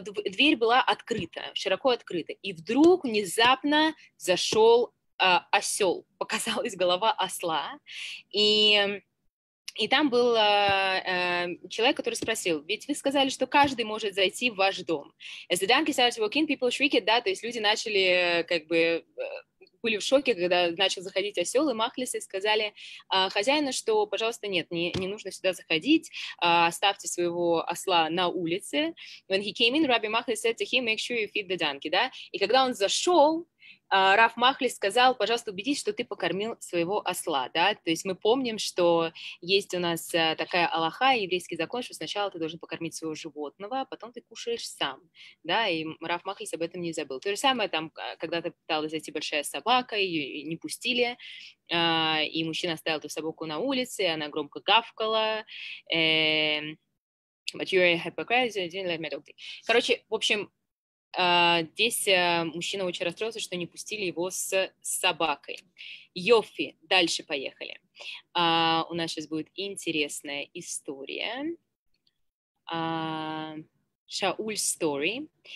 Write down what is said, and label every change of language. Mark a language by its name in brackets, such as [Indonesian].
[Russian] дверь была открыта, широко открыта, и вдруг внезапно зашел осел, показалась голова осла, и там был человек, который спросил, ведь вы сказали, что каждый может зайти в ваш дом. [English] As the donkey started to walk in, people shrieked, [Russian] да, то есть люди начали как бы... были в шоке, когда начал заходить осел, и Махлисы сказали хозяину, что, пожалуйста, нет, не нужно сюда заходить, оставьте своего осла на улице. [English] When he came in, Rabbi Machlis said to him, make sure you feed the donkey, да? [Russian] И когда он зашел, Рав Махлис сказал, пожалуйста, убедись, что ты покормил своего осла, да? То есть мы помним, что есть у нас такая алаха, еврейский закон, что сначала ты должен покормить своего животного, а потом ты кушаешь сам, да? И Рав Махлис об этом не забыл. То же самое там, когда-то пыталась зайти большая собака, ее не пустили, и мужчина оставил эту собаку на улице, она громко гавкала. [English] But you're a hypocrite, you didn't let me talk to you. [Russian] Короче, в общем... здесь мужчина очень расстроился, что не пустили его с собакой. Йофи, дальше поехали. У нас сейчас будет интересная история. [English] Шауль story.